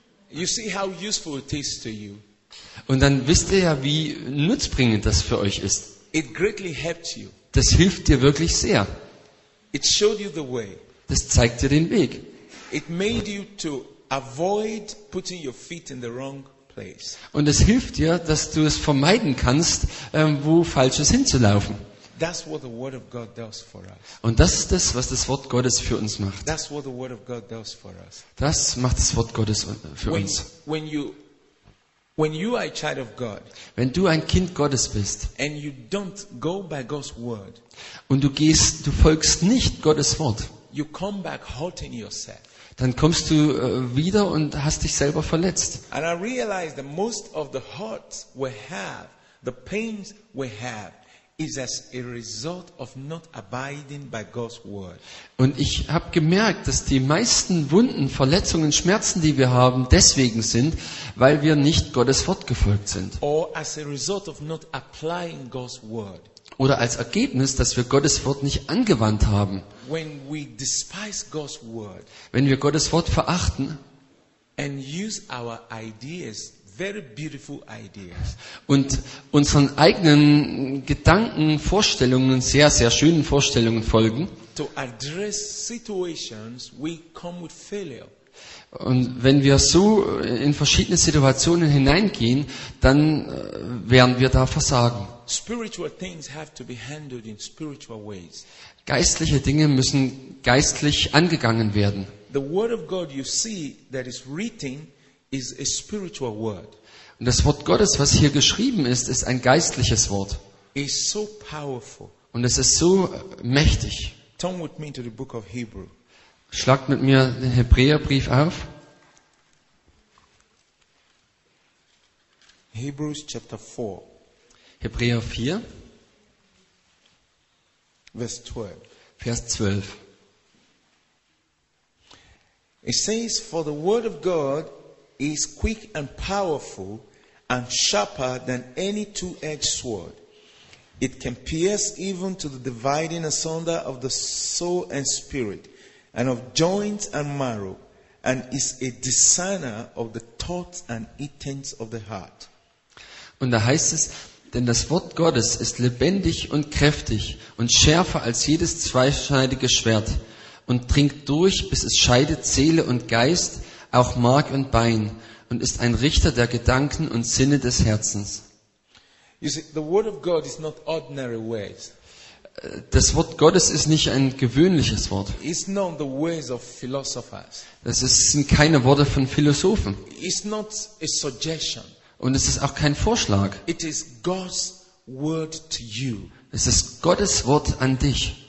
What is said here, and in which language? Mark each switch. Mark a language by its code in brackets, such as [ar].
[en] You see how useful it is to you. [de] Und dann wisst ihr ja, wie nutzbringend das für euch ist. [en] It greatly helped you. [de] Das hilft dir wirklich sehr. [en] It showed you the way. [de] Das zeigt dir den Weg. [en] It made you to avoid putting your feet in the wrong place. [de] Und es hilft dir, dass du es vermeiden kannst, wo Falsches hinzulaufen. [en] That's what the word of God does for us. [de] Und das ist das, was das Wort Gottes für uns macht. [en] That's what the word of God does for us. [de] Das macht das Wort Gottes für uns. [en] When you are a child of God, [de] wenn du ein Kind Gottes bist, [en] and you don't go by God's word, [de] und du folgst nicht Gottes Wort, [en] you come back hurting yourself. [de] Dann kommst du wieder und hast dich selber verletzt. [en] And I realized that most of the hurts we have, the pains we have, is as a result of not abiding by God's word. [de] Und ich habe gemerkt, dass die meisten Wunden, Verletzungen, Schmerzen, die wir haben, deswegen sind, weil wir nicht Gottes Wort gefolgt sind. [en] Or as a result of not applying God's word. [de] Oder als Ergebnis, dass wir Gottes Wort nicht angewandt haben. [en] When we despise God's word. [de] Wenn wir Gottes Wort verachten. [en] And use our ideas. Very beautiful ideas. [de] Und unseren eigenen Gedanken, Vorstellungen, sehr, sehr schönen Vorstellungen folgen. [en] To address situations, we come with failure. [de] Und wenn wir so in verschiedene Situationen hineingehen, dann werden wir da versagen. [en] Spiritual things have to be handled in spiritual ways. [de] Geistliche Dinge müssen geistlich angegangen werden. [en] The word of God you see that is written is a spiritual word. [de] Und das Wort Gottes, was hier geschrieben ist, ist ein geistliches Wort. [en] It's so powerful. [de] Und es ist so mächtig. [en] Turn with me to the book of Hebrew. [de] Schlagt mit mir den Hebräerbrief auf. [en] Hebrews chapter 4. [de] Hebräer 4. Vers 12. Vers 12. [en] It says, for the word of God is quick and powerful and sharper than any two-edged sword. It can pierce even to the dividing asunder of the soul and spirit, and of joints and marrow, and is a discerner of the thoughts and intents of the heart. [de] Und da heißt es, denn das Wort Gottes ist lebendig und kräftig und schärfer als jedes zweischneidige Schwert und dringt durch, bis es scheidet Seele und Geist, auch Mark und Bein, und ist ein Richter der Gedanken und Sinne des Herzens. [en] You see, the word of God is not ordinary words. [de] Das Wort Gottes ist nicht ein gewöhnliches Wort. [en] It's not the ways of philosophers. [de] Das sind keine Worte von Philosophen. [en] It's not a suggestion. [de] Und es ist auch kein Vorschlag. [en] It is God's word to you. [de] Es ist Gottes Wort an dich.